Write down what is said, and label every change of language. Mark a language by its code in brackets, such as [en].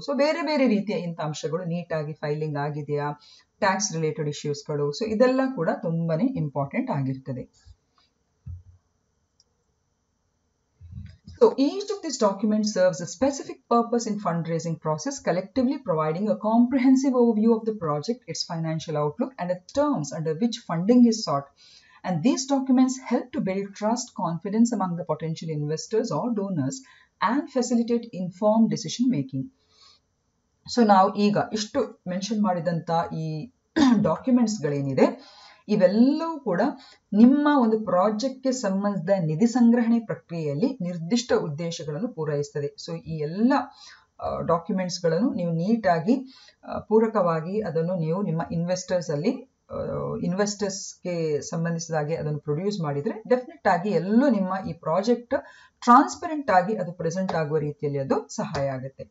[kn] So ಬೇರೆ ಬೇರೆ ರೀತಿಯ ಇಂಥ ಅಂಶಗಳು ನೀಟಾಗಿ ಫೈಲಿಂಗ್ ಆಗಿದೆಯಾ, ಟ್ಯಾಕ್ಸ್ ರಿಲೇಟೆಡ್ ಇಶ್ಯೂಸ್ಗಳು, ಸೊ ಇದೆಲ್ಲ ಕೂಡ ತುಂಬಾ ಇಂಪಾರ್ಟೆಂಟ್ ಆಗಿರ್ತದೆ. [en] So each of this document serves a specific purpose in fund raising process, collectively providing a comprehensive overview of the project, its financial outlook and the terms under which funding is sought. And these documents help to build trust, confidence among the potential investors or donors and facilitate informed decision making. So now, [kn] ಈಗ ಇಷ್ಟು mention ಮಾಡಿದಂತ ಈ documents ಗಳೇನಿದೆ ಇವೆಲ್ಲವೂ ಕೂಡ ನಿಮ್ಮ ಒಂದು ಪ್ರಾಜೆಕ್ಟ್ಗೆ ಸಂಬಂಧಿಸಿದ ನಿಧಿ ಸಂಗ್ರಹಣೆ ಪ್ರಕ್ರಿಯೆಯಲ್ಲಿ ನಿರ್ದಿಷ್ಟ ಉದ್ದೇಶಗಳನ್ನು ಪೂರೈಸುತ್ತದೆ. ಸೊ ಈ ಎಲ್ಲ ಡಾಕ್ಯುಮೆಂಟ್ಸ್ಗಳನ್ನು ನೀವು ನೀಟಾಗಿ ಪೂರಕವಾಗಿ ಅದನ್ನು ನೀವು ನಿಮ್ಮ ಇನ್ವೆಸ್ಟರ್ಸ್ ಅಲ್ಲಿ ಇನ್ವೆಸ್ಟರ್ಸ್ಗೆ ಸಂಬಂಧಿಸಿದಾಗೆ ಅದನ್ನು ಪ್ರೊಡ್ಯೂಸ್ ಮಾಡಿದರೆ ಡೆಫಿನೆಟ್ ಆಗಿ ಎಲ್ಲೂ ನಿಮ್ಮ ಈ ಪ್ರಾಜೆಕ್ಟ್ ಟ್ರಾನ್ಸ್ಪರೆಂಟ್ ಆಗಿ ಅದು ಪ್ರೆಸೆಂಟ್ ಆಗುವ ರೀತಿಯಲ್ಲಿ ಅದು ಸಹಾಯ ಆಗುತ್ತೆ.